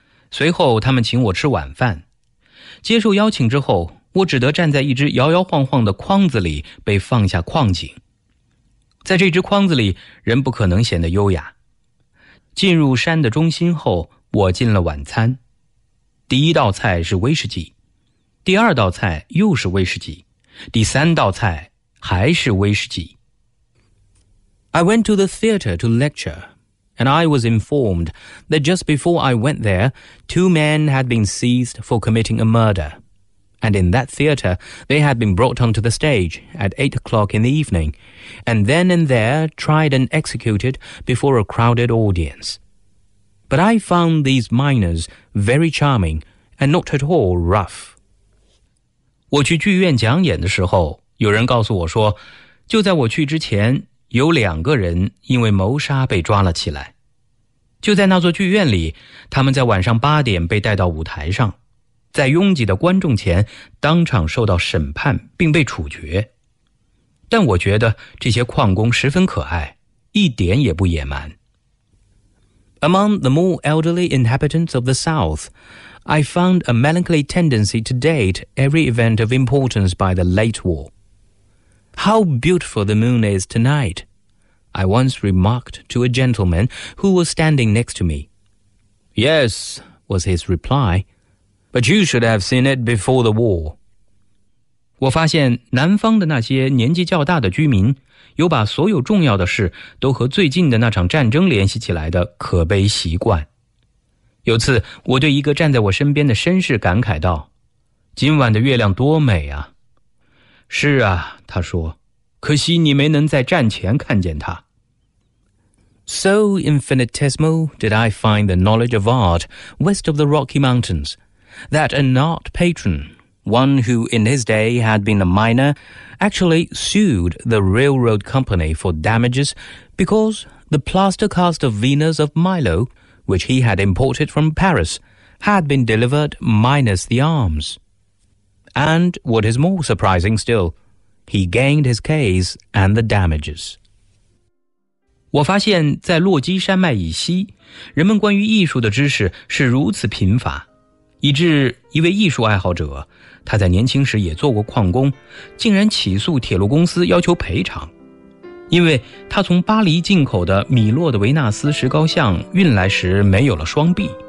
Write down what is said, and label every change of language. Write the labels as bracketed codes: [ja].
[zh] 随后他们请我吃晚饭。接受邀请之后，我只得站在一只摇摇晃晃的筐子里被放下矿井。在这只筐子里，人不可能显得优雅。进入山的中心后，我进了晚餐。第一道菜是威士忌，第二道菜又是威士忌，第三道菜还是威士忌。 [en] I went to the theater to lecture, and I was informed that just before I went there, two men had been seized for committing a murder. And in that theater, they had been brought onto the stage at 8 o'clock in the evening, and then and there tried and executed before a crowded audience. But I found these miners very charming and not at all rough. [zh] 我去剧院讲演的时候，有人告诉我说，就在我去之前，有两个人因为谋杀被抓了起来。就在那座剧院里，他们在晚上8点被带到舞台上，在拥挤的观众前当场受到审判并被处决。但我觉得这些矿工十分可爱，一点也不野蛮。 [en] Among the more elderly inhabitants of the South, I found a melancholy tendency to date every event of importance by the late war. How beautiful the moon is tonight, I once remarked to a gentleman who was standing next to me. Yes, was his reply. But you should have seen it before the war. [zh] 我发现南方的那些年纪较大的居民有把所有重要的事都和最近的那场战争联系起来的可悲习惯。有次我对一个站在我身边的绅士感慨道，今晚的月亮多美啊。是啊，他说，可惜你没能在战前看见它。 [en] So infinitesimal did I find the knowledge of art west of the Rocky Mountains,that an art patron, one who in his day had been a miner, actually sued the railroad company for damages because the plaster cast of Venus of Milo, which he had imported from Paris, had been delivered minus the arms. And what is more surprising still, he gained his case and the damages. [zh] 我发现在落基山脉以西，人们关于艺术的知识是如此贫乏。以致一位艺术爱好者，他在年轻时也做过矿工，竟然起诉铁路公司要求赔偿，因为他从巴黎进口的米洛的维纳斯石膏像运来时没有了双臂。